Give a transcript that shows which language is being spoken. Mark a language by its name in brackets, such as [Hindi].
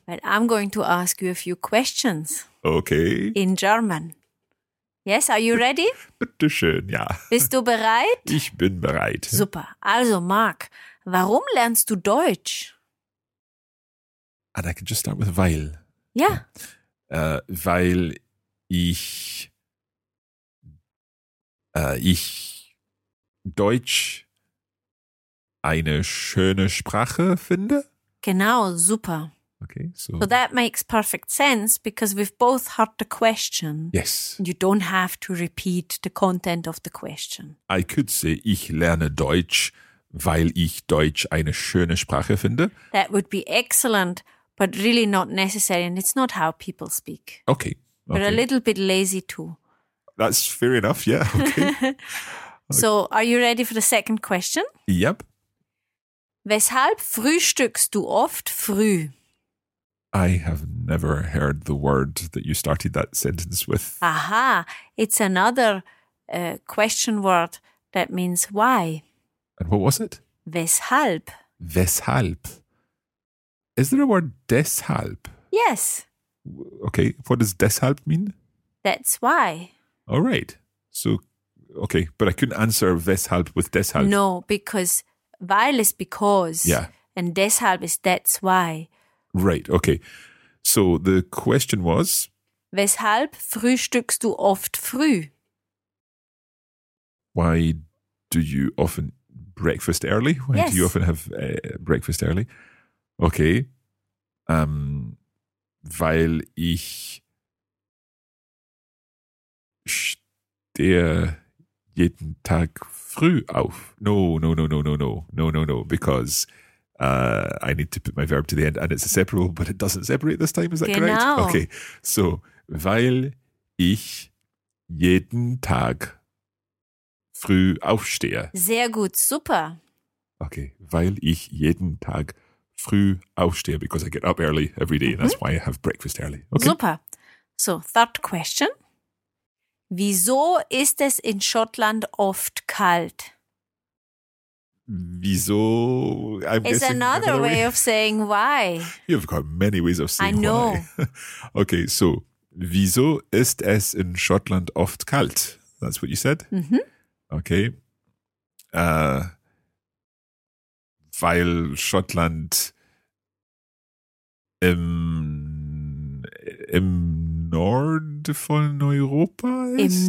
[English] Well, I'm going to ask you a few questions. Okay. In German. Yes, are you ready? [German] Bitte schön, ja. Bist du bereit? Ich bin bereit. Super. Also, Marc, warum lernst du Deutsch? [English] And I can just start with weil. [German] Ja. Weil ich ich Deutsch eine schöne Sprache finde? Genau, super. [English] Okay, so that makes perfect sense because we've both heard the question. Yes. You don't have to repeat the content of the question. I could say, [German] ich lerne Deutsch, weil ich Deutsch eine schöne Sprache finde. [English] That would be excellent, but really not necessary, and it's not how people speak. Okay. But a little bit lazy too. That's fair enough, yeah. Okay. So are you ready for the second question? Yep. [German] Weshalb frühstückst du oft früh? [English] I have never heard the word that you started that sentence with. Aha, it's another question word that means why. And what was it? [German] Weshalb. [English] Weshalb. Is there a word deshalb? Yes. Okay, what does deshalb mean? That's why. All right. So, okay, but I couldn't answer weshalb with deshalb. No, because weil is because, yeah. And deshalb is that's why. Right, okay. So the question was, [German] weshalb frühstückst du oft früh? [English] Why do you often breakfast early? Why yes. do you often have breakfast early? Okay. [German] Weil ich stehe jeden Tag früh auf. [English] No, because I need to put my verb to the end and it's a separable, but it doesn't separate this time, is that [German] genau. [English] Correct? [German] Okay, so, weil ich jeden Tag früh aufstehe. Sehr gut, super. [English] Okay, [German] weil ich jeden Tag früh aufstehe, [English] because I get up early every day, that's why I have breakfast early. Okay. Super. So, third question. [German] Wieso ist es in Schottland oft kalt? Wieso? [English] It's another way of saying why. You've got many ways of saying why. I know. Why. [German] Okay, so, wieso ist es in Schottland oft kalt? [English] That's what you said? Mm-hmm. Okay. [German] Weil Schottland im Nord von Europa ist?